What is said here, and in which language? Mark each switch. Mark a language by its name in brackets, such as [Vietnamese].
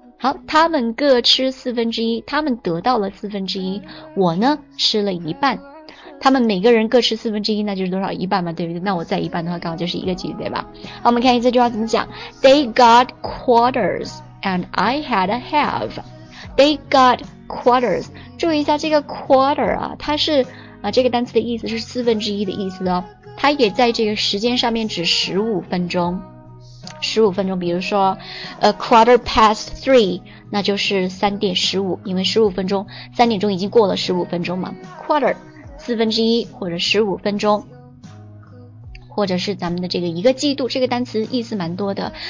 [Chinese] 好，他们各吃四分之一，他们得到了四分之一，我呢吃了一半。他们每个人各吃四分之一，那就是多少，一半嘛，对不对？那我再一半的话刚好就是一个橘子，对吧？好，我们看一下这句话怎么讲。 [English] They got quarters and I had a half. They got quarters, [Chinese] 注意一下这个 quarter 啊，它是啊这个单词的意思是四分之一的意思哦，它也在这个时间上面指15分钟，比如说 [English] a quarter past three, [Chinese] 那就是3:15，因为3点钟已经过了15分钟嘛， quarter 四分之一，或者15分钟，或者是咱们的这个一个季度，这个单词意思蛮多的。